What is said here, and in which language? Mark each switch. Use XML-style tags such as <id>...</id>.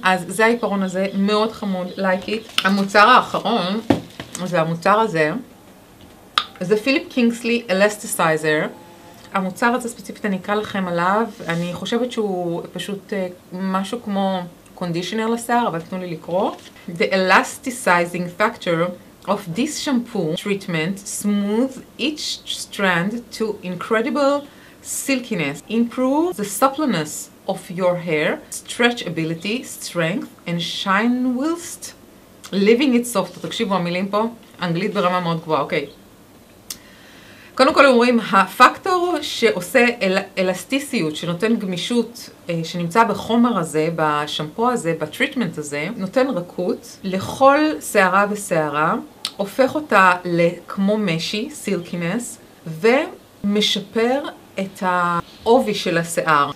<he>אז זה העיפרון הזה, מאוד חמוד,</he> <en>like it.</en> <he>המוצר האחרון, זה המוצר הזה, זה פיליפ קינגסלי אלסטיסייזר. המוצר הזה ספציפית, אני אקרא לכם עליו, אני חושבת שהוא פשוט משהו כמו קונדישנר לשיער, אבל תנו לי לקרוא.</he> <en>The Elasticizing Factor of this shampoo treatment smooth each strand to incredible silkiness, improve the suppleness of your hair, stretch ability, strength and shine whilst leaving it soft.</en> <he>תקשיבו המילים פה, אנגלית ברמה מאוד גבוהה, אוקיי. קודם כל אומרים, הפקטור שעושה אלסטיסיות, שנותן גמישות, שנמצא בחומר הזה, בשמפו הזה, בטריטמנט הזה, נותן רכות לכל שערה ושערה, הופך אותה לכמו משי, סילקינס, ומשפר את העובי של השיער.</he>